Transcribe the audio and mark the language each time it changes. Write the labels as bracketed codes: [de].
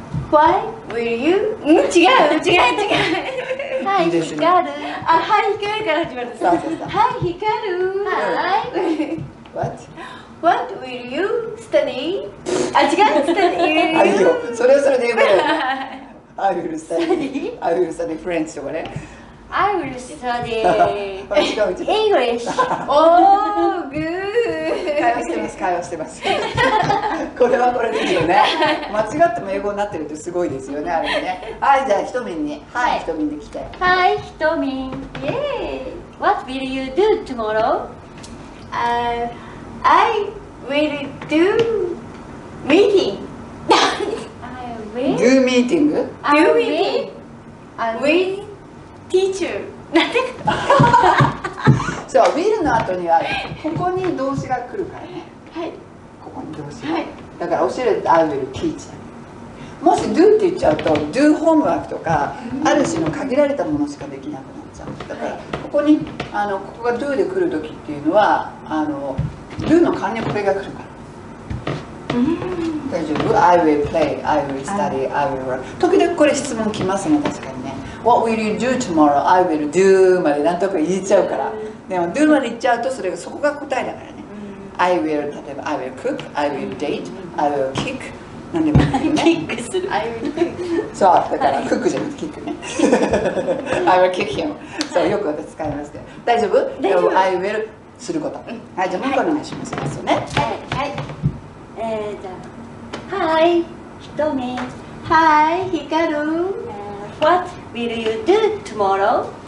[en] Why will you? [ja] ん、違う、違う、違う。はい、ひかる。あ、はい、ひかるから始まるんですか。そうそうそう。はい、ひかる。はい。 [en] What? What will you study? [ja] あ、違う、 [en] study. [ja] あ、いいよ。それはそれで言うけど。 [en] I will study. I will study French [ja] とかね。 [en] I will study English. Oh, good. [ja] 会話してます、会話してます。これはこれですよね。間違っても英語になってるってすごいですよね、あれね。はい、じゃあひとみんに。はい、ひとみんで来て。はい、ひとみん。Yeah. [en] What will you do tomorrow? I will do meeting. Do meeting? Do meeting. With? Teacher. [ja] なんでそう、will の後にはここに動詞が来るからね。はい、ここに動詞が、はい、だから教えるって [en] I will teach。 [ja] もし do って言っちゃうと [en] do homework [ja] とか、うん、ある種の限られたものしかできなくなっちゃう。だからここに、はい、ここが do で来る時っていうのはdo の関連これが来るから、うん、大丈夫。 [en] I will play, I will study, I will work。 [ja] 時々これ質問来ますね、確かにね。 [en] What will you do tomorrow? I will do [ja] までなんとか言っちゃうから、うん、でも do まで言っちゃうとそれがそこが答えだからね、うん、I will 例えば [en] I will cook, I will date,、 [ja] うん、 [en] I will kick [ja] 何でもいいね。キックする。 [en] I will kick。 [ja] そうだから、はい、クックじゃなくてキックね。 [en] I will kick him。 [ja] そうよく私使いますけど、大丈夫？大丈夫。 I will すること、うん、はい、じゃあもう一回お願いします、はい、そうね、はい、はい、じゃあ Hi ひとみ。 [en] Hi ひかる。 What will you do tomorrow?